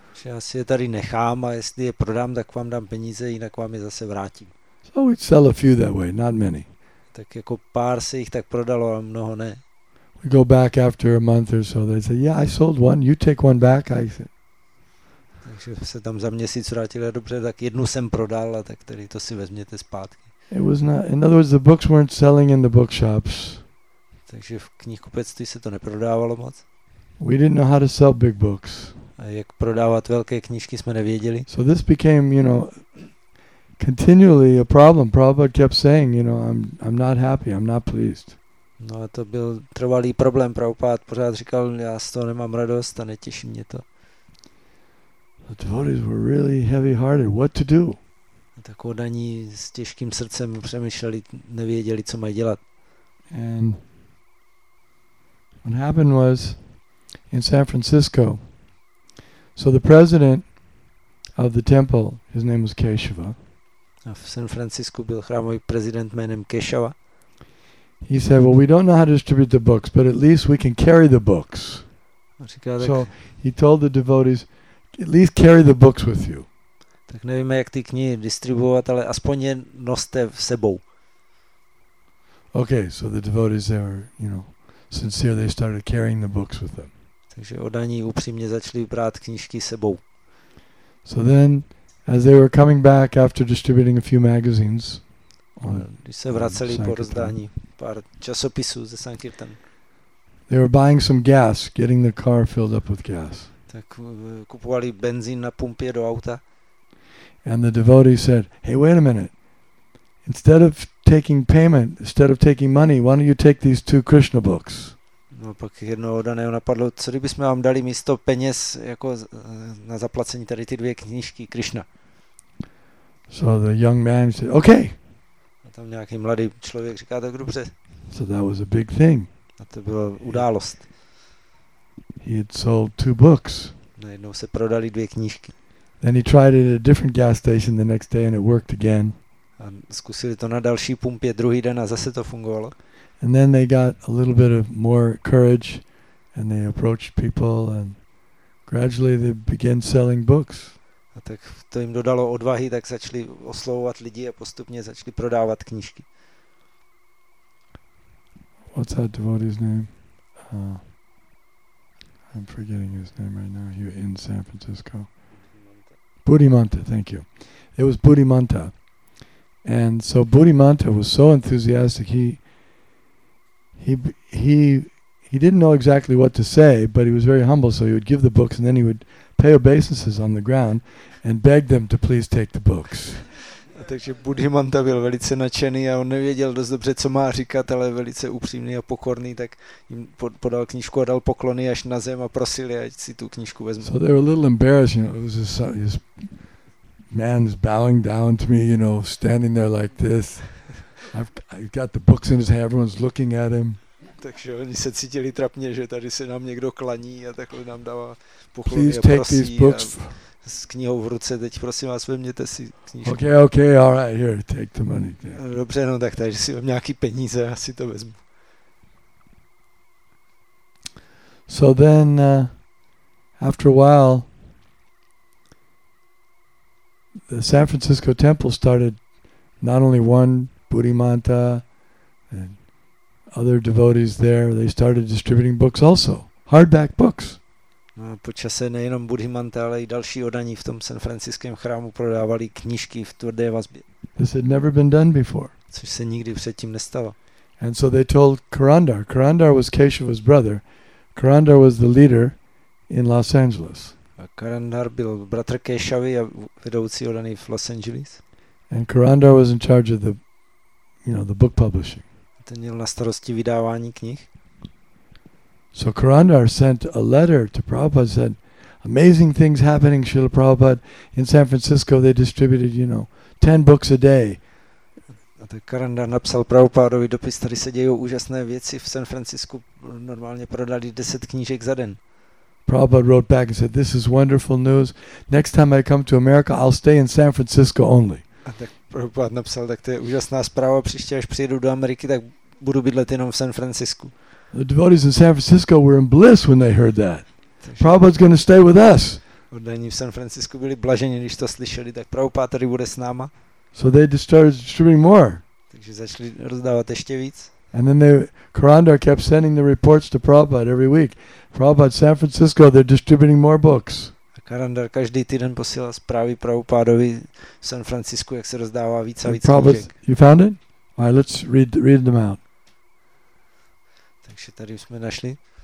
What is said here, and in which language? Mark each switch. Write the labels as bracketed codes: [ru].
[cs] Já si je tady nechám a jestli je prodám, tak vám dám peníze, jinak vám je zase vrátím. [en] So we'd sell a few that way, not many. [cs] Tak jako pár se jich tak prodalo a mnoho ne. [en] We go back after a month or so, they say, yeah, I sold one, you take one back. I said. [cs] Takže se tam za měsíc vrátili a dobře, tak jednu jsem prodal a tak tady to si vezměte zpátky. [en] It was not, in other words, the books weren't selling in the bookshops. [cs] Takže v knihkupectví se to neprodávalo moc. [en] We didn't know how to sell big books. [cs] A jak prodávat velké knížky jsme nevěděli. [en] So this became, you know, continually a problem. Prabhupada kept saying, you know, I'm not happy, I'm not pleased. [cs] No a to byl trvalý problém. Prabhupada pořád říkal, já z toho nemám radost a netěší mě to. [en] The devotees were really heavy-hearted. What to do? [cs] Tak oddaní s těžkým srdcem přemýšleli, nevěděli, co mají dělat. [en] And what happened was in San Francisco. So the president of the temple, his name was Keshava. [cs] A v San Francisco byl chrámový prezident jménem Keshava. [en] He said, well, we don't know how to distribute the books, but at least we can carry the books. So he told the devotees, at least carry the books with you. [cs] Tak nevíme, jak ty knihy distribuovat, ale aspoň je noste v sebou. [en] Okay, so the devotees, they were, you know, sincere, they started carrying the books with them. [cs] Takže oddaní upřímně začali brát knížky sebou. [en] So then, as they were coming back after distributing a few magazines, [cs] když se vraceli po rozdání pár časopisů ze Sankirtan, [en] they were buying some gas, getting the car filled up with gas. [cs] Tak kupovali benzín na pumpě do auta. [en] And the devotee said, hey, wait a minute. Instead of taking payment, instead of taking money, why don't you take these two Krishna books? [cs] No pak jednoho daného napadlo, co kdybychom vám dali místo peněz jako na zaplacení tady ty dvě knížky Krishna. [en] So the young man said, okay. [cs] A tam nějaký mladý člověk říká, tak dobře. [en] So that was a big thing. [cs] A to byla událost. [en] He had sold two books. [cs] Najednou se prodali dvě knížky. [en] Then he tried it at a different gas station the next day and it worked again. [cs] A zkusili to na další pumpě druhý den a zase to fungovalo. [en] And then they got a little bit of more courage and they approached people and gradually they began selling books. [cs] A tak to jim dodalo odvahy, tak začali oslovovat lidi a postupně začali prodávat knížky. [en] What's that devotee's name? I'm forgetting his name right now. He's in San Francisco. Budimanta, thank you. It was Budimanta. And so Budimanta was so enthusiastic, he didn't know exactly what to say, but he was very humble, so he would give the books and then he would pay obeisances on the ground and beg them to please take the books. [cs] A takže Budimanta byl velice nadšený a on nevěděl dost dobře, co má říkat, ale velice upřímný a pokorný, tak jim podal knížku a dal poklony až na zem a prosil je, ať si tu knížku vezme. [en] So they were a little embarrassed, you know, it was this man's bowing down to me, you know, standing there like this. I've got the books in his hand, everyone's looking at him. [cs] Takže oni se cítili trapně, že tady se nám někdo klaní a takhle nám dává poklony. [en] Please take these books. [cs] S knihou v ruce, teď prosím vás, vezměte si knížku. [en] Okay, all right, here, take the money. Yeah. [cs] Dobře, no tak tady si vem nějaký peníze, já si to vezmu. [en] So then after a while, the San Francisco temple started not only one Buddhimanta and other devotees there, they started distributing books also, hardback books. [cs] No, po čase nejenom Buddhimanta, ale i další odaní v tom San Franciském chrámu prodávali knížky v tvrdé vazbě. [en] This had never been done before. [cs] Což se nikdy předtím nestalo. [en] And so they told Karandar. Karandar was Keshava's brother. Karandar was the leader in Los Angeles. [cs] A Karandar byl bratr Keshavy a vedoucí odaný v Los Angeles. [en] And Karandar was in charge of the, you know, the book publishing. [cs] Ten měl na starosti vydávání knih. [en] So Karandar sent a letter to Prabhupada, said, amazing things happening, Srila Prabhupada, in San Francisco they distributed, you know, 10 books a day. [cs] A tak Karandar napsal Prabhupádovi dopis, tady se dějí úžasné věci, v San Francisco normálně prodali 10 knížek za den. [en] Prabhupada wrote back and said, this is wonderful news, next time I come to America, I'll stay in San Francisco only. [cs] A tak Prabhupada napsal, tak to je úžasná zpráva, příště až přijedu do Ameriky, tak budu bydlet jenom v San Francisco. [en] The devotees in San Francisco were in bliss when they heard that. Prabhupada's going to stay with us. [cs] Oddaní v San Francisco byli blaženi, když to slyšeli, tak Prabhupada tady bude s náma. [en] So they started distributing more. [cs] Takže začali rozdávat ještě víc. [en] And then Karandar kept sending the reports to Prabhupada every week. Prabhupada, San Francisco, they're distributing more books. [cs] A Karandar každý týden posílal zprávy Prabhupádovi v San Francisco, jak se rozdává víc a víc knížek. [en] You found it? All right, let's read them out. [cs] Takže tady jsme našli.